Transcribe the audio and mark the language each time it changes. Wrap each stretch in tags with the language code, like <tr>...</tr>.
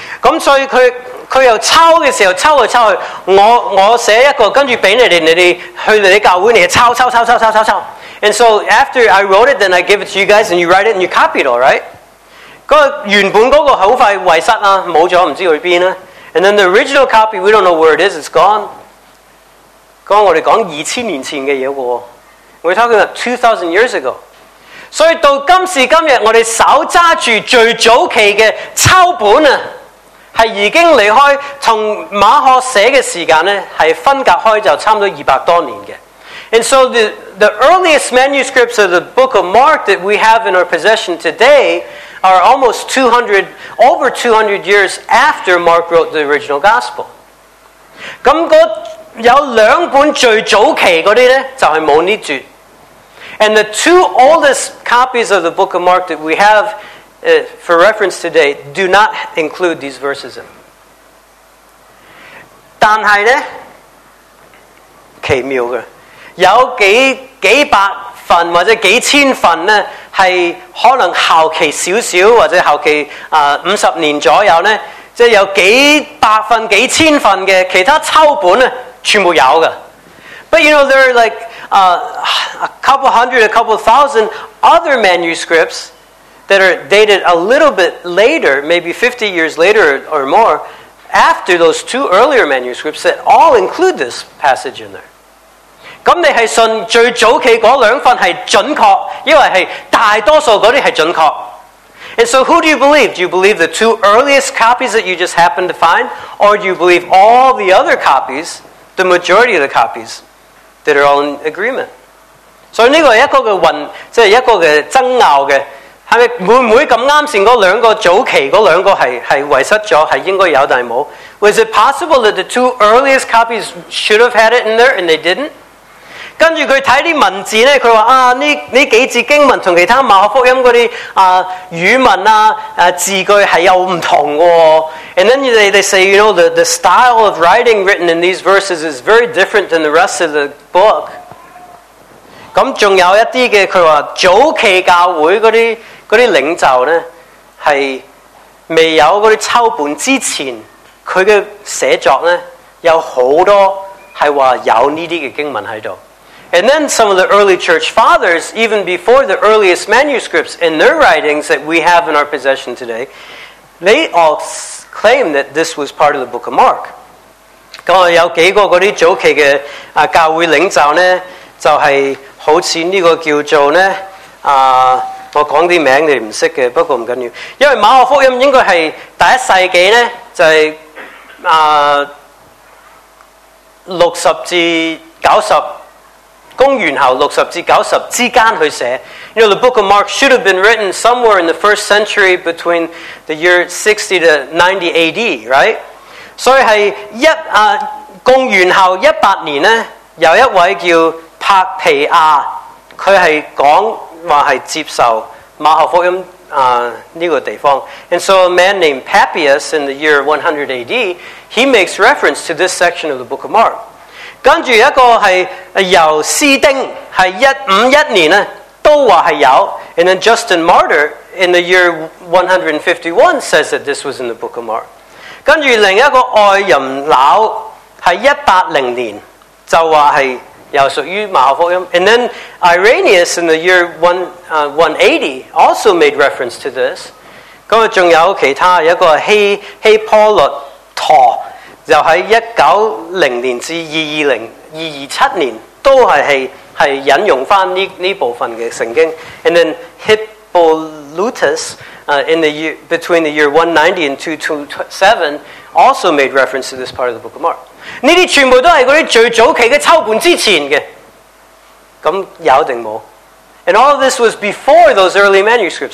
<zh>咁所以佢又抄嘅时候，抄嚟抄去，我写一个，跟住俾你哋去你哋教会，你抄抄抄抄抄抄抄。</zh> <en>And so after I wrote it, then I give it to you guys, and you write it and you copy it, all right?</en> <zh>嗰原本嗰个好快遗失啦，冇咗，唔知去边啦。</zh> <en>And then the original copy, we don't know where it is. It's gone.</en> <zh>讲我哋讲二千年前嘅嘢喎</zh> <en>，we're talking about 2,000 years ago.</en> <zh>所以到今时今日，我哋手揸住最早期嘅抄本啊，系已经离开同马可写嘅时间咧，系分隔开就差唔多200多年嘅。</zh> <en>And so the earliest manuscripts of the Book of Mark that we have in our possession today are almost 200 over 200 years after Mark wrote the original Gospel.</en> <zh>咁嗰有两本最早期嗰啲咧，就系冇呢住。</zh> <en>And the two oldest copies of the Book of Mark that we have for reference today do not include these verses in.</en> <zh>但是呢奇妙的有 几百份或者几千份呢是可能后期少少或者后期50年左右呢即有几百份几千份的其他抄本呢全部有的。</zh> <en>But you know, there are like a couple hundred, a couple thousand other manuscripts that are dated a little bit later, maybe 50 years later or more, after those two earlier manuscripts that all include this passage in there.</en> <zh>咁你係信最早期嗰兩份係準確，因為係大多數嗰啲係準確。</zh> <en>And so who do you believe? Do you believe the two earliest copies that you just happened to find? Or do you believe all the other copies, the majority of the copies, that are all in agreement. So this is one of the debate.</en> <zh>是不是会不会这么刚才那两个早期那两个 是遗失了是应该有但是没有</zh> <en>Was it possible that the two earliest copies should have had it in there and they didn't?</en> <zh>跟着他看文字他说、这几字经文和其他马可福音那些、语文、字句是有不同的、</zh> <en>And then they say, you know, the style of writing written in these verses is very different than the rest of the book.</en> <zh>咁仲有一啲嘅，佢话早期教会嗰啲领袖咧，系未有嗰啲抄本之前，佢嘅写作咧有好多系话有呢啲嘅经文喺度。</zh> <en>And then some of the early church fathers, even before the earliest manuscripts in their writings that we have in our possession today, they all claim that this was part of the Book of Mark.</en> <zh>咁啊，有几个嗰啲早期嘅啊教会领袖咧，就系好似呢个叫做咧啊。我講啲名字你唔識嘅，不過唔緊要，因為馬可福音應該係第一世紀咧，就係六十至九十公元後六十至九十之間去寫。</zh> <en>You know, the Book of Mark should have been written somewhere in the first century between the year 60 to 90 A.D. right?</en> <zh>所以係一公元後一百年咧，有一位叫帕皮亞，佢係講。话系接受马可福音啊呢个地方</zh> <en>，and so a man named Papias in the year 100 A.D. he makes reference to this section of the Book of Mark.</en> <zh>跟住一个系由斯丁系151年啊，都话系有</zh> <en>，and then Justin Martyr in the year 151 says that this was in the Book of Mark.</en> <zh>跟住另一个爱人老系180年就话系。又属于马可福音</zh> <en>，and then Irenaeus in the year 180 also made reference to this。</en> <zh>咁啊，仲有其他一个希波律陀，就喺190年至227年都系引用翻呢部分嘅圣经</zh> <en>，and then Hippolytus in the year between the year 190 and 227 also made reference to this part of the Book of Mark。</en> <zh>呢啲全部都系嗰啲最早期嘅抄本之前嘅，咁有定冇</zh> <en>？And all of this was before those early manuscripts.</en>